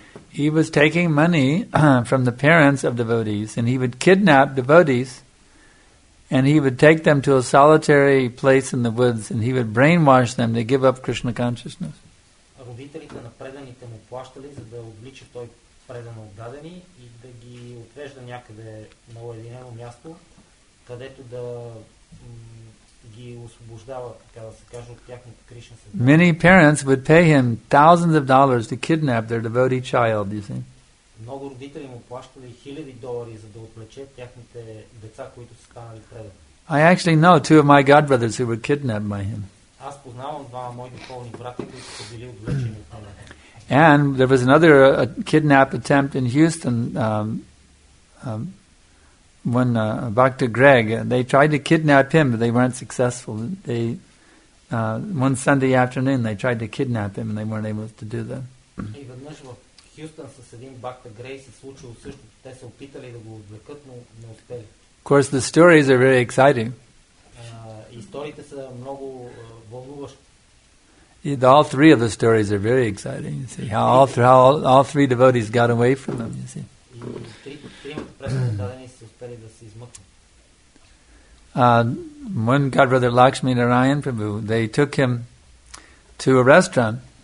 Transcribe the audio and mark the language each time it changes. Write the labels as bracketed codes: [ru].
[en] He was taking money from the parents of devotees, and he would kidnap devotees, and he would take them to a solitary place in the woods, and he would brainwash them to give up Krishna consciousness. [bg] Родителите на преданите му плащали, за да облича той предано отдадени и да ги отвежда някъде на уединено място, където да ги освобождава, така да се каже, от тяхното кришна съзнание. [en] Many parents would pay him thousands of dollars to kidnap their devotee child, you see. [bg] Много родители му плащали хиляди долари, за да отвлече тяхните деца, които са станали предани. [en] I actually know two of my godbrothers who were kidnapped by him. [bg] Аз познавам два мои духовни брати, които са били отвлечени от него. [en] And there was another kidnap attempt in Houston, when Bhakta Greg, they tried to kidnap him, but they weren't successful. They one Sunday afternoon, they tried to kidnap him, and they weren't able to do that. [bg] И веднъж в Хюстън с един Бхакта Грей се случило същото. Те се опитали да го отвлекат, но не успели. [en] Of course, the stories are very exciting. [bg] Историите са много вълнуващи. [en] Yeah, all three of the stories are very exciting. You see how all three devotees got away from them. You see. One godbrother, Lakshmi Narayan Prabhu, they took him to a restaurant.